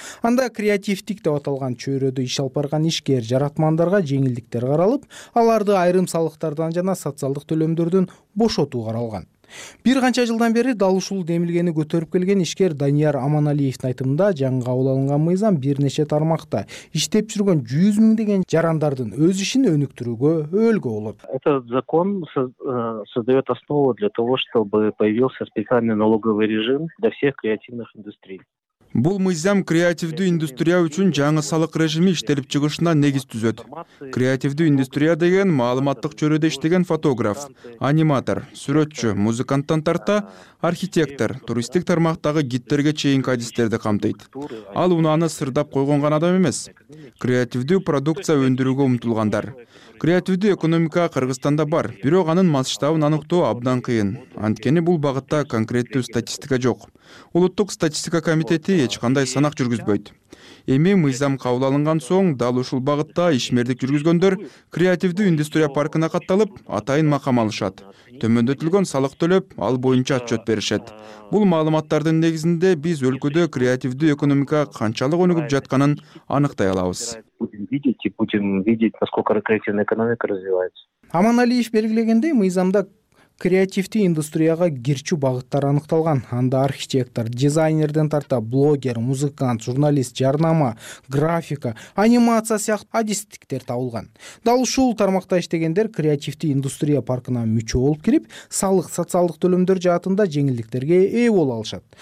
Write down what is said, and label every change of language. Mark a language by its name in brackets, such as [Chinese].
[Kyrgyz] Анда креативдик деп аталган чөйрөдө иш алып барган ишкер, жаратмандарга жеңилдиктер каралып, аларды айрым салыктардан жана социалдык төлөмдөрдөн бошотуу каралган. Бир канча жылдан бери дал ушул демилгени көтөрүп келген ишкер Данияр Аманалиевдин айтымында жаңы кабылданган мыйзам бир нече тармакта иштеп жүргөн 100 000 деген жарандардын өз ишин өнүктүрүүгө өлгө болот. [Russian] Этот закон создает основу для того, чтобы появился специальный налоговый режим для всех креативных индустрий. [Kyrgyz] Бул мыйзам креативдүү индустрия үчүн жаңы салык режими иштелип чыгышына негиз түзөт. Креативдүү индустрия деген маалыматтык чөйрөдө иштеген фотограф, аниматор, сүрөтчү, музыканттан тарта архитектор, туристтик тармактагы гидтерге чейинки адистерди камтыйт. Ал унааны сырдап койгон гана адам эмес. Креативдүү продукция өндүрүүгө умтулгандар. Креативдүү экономика Кыргызстанда бар, бирок анын масштабын аныктоо абдан кыйын. Анткени бул багытта конкреттүү статистика жок. Улуттук статистика комитети эч кандай санак жүргүзбөйт. Эми мыйзам кабыл алынган соң дал ушул багытта ишмердик жүргүзгөндөр креативдүү индустрия паркына катталып, атайын макам алышат. Төмөндөтүлгөн салык төлөп, ал боюнча отчет беришет. Бул маалыматтардын негизинде биз өлкөдө креативдүү экономика канчалык өнүгүп жатканын аныктай алабыз. [Russian] Будем видеть, насколько креативная экономика развивается. [Kyrgyz] Аманалиев белгилегендей, мыйзамда креативдүү индустрияга кирчү багыттар аныкталган. Анда архитектор, дизайнерден тарта блогер, музыкант, журналист, жарнама, графика, анимация сыяктуу адистиктер табылган. Дал ушул тармакта иштегендер креативдүү индустрия паркына мүчө болуп кирип, салык, социалдык төлөмдөр жаатында жеңилдиктерге ээ боло алышат.